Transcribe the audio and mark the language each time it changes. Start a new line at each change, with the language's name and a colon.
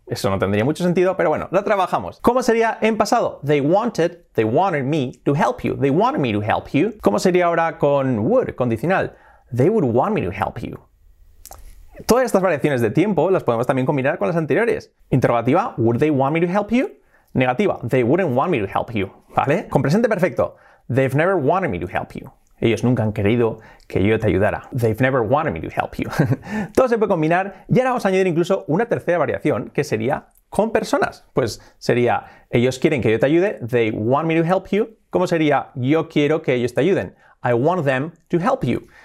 Spanish: Eso no tendría mucho sentido, pero bueno, la trabajamos. ¿Cómo sería en pasado?
English: They wanted me to help you. They wanted me to help you.
Spanish: ¿Cómo sería ahora con would, condicional?
English: They would want me to help you.
Spanish: Todas estas variaciones de tiempo las podemos también combinar con las anteriores.
English: Interrogativa, would they want me to help you? Negativa, they wouldn't want me to help you.
Spanish: ¿Vale? Con presente perfecto.
English: They've never wanted me to help you.
Spanish: Ellos nunca han querido que yo te ayudara.
English: They've never wanted me to help you.
Spanish: Todo se puede combinar. Y ahora vamos a añadir incluso una tercera variación, que sería con personas. Pues sería, ellos quieren que yo te ayude.
English: They want me to help you.
Spanish: ¿Cómo sería, yo quiero que ellos te ayuden?
English: I want them to help you.